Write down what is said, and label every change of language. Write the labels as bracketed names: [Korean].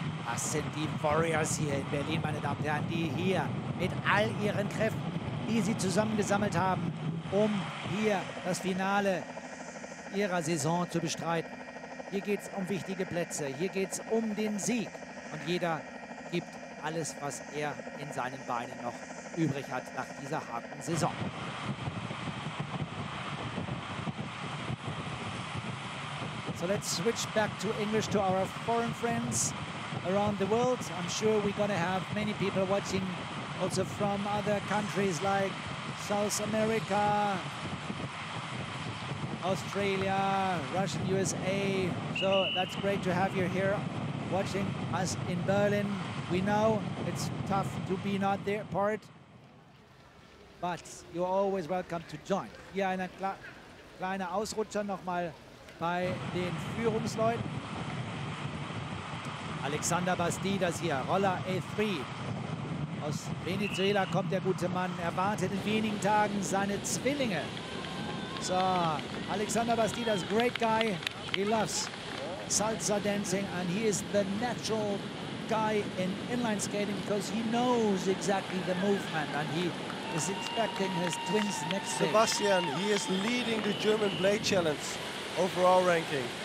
[German] Das sind die Warriors hier in Berlin, meine Damen und Herren, die hier mit all ihren Kräften, die sie zusammengesammelt haben, um hier das Finale ihrer Saison zu bestreiten. Hier geht es um wichtige Plätze, hier geht es um den Sieg. Und jeder gibt alles, was er in seinen Beinen noch übrig hat nach dieser harten Saison. [English] So let's switch back to English to our foreign friends around the world. I'm sure we're gonna have many people watching also from other countries like South America, Australia, Russian, USA. So that's great to have you here watching us in Berlin. We know it's tough to be not there part, but you're always welcome to join. [German] Hier ein kleiner Ausrutscher nochmal bei den Führungsleuten. Alexander Bastidas hier, Roller A3. Aus Venezuela kommt der gute Mann, erwartet in wenigen Tagen seine Zwillinge. [English] So, Alexander Bastidas, great guy. He loves salsa dancing and he is the natural guy in inline skating because he knows exactly the movement and he is expecting his twins next day. Sebastian, he is leading the German Blade Challenge overall ranking.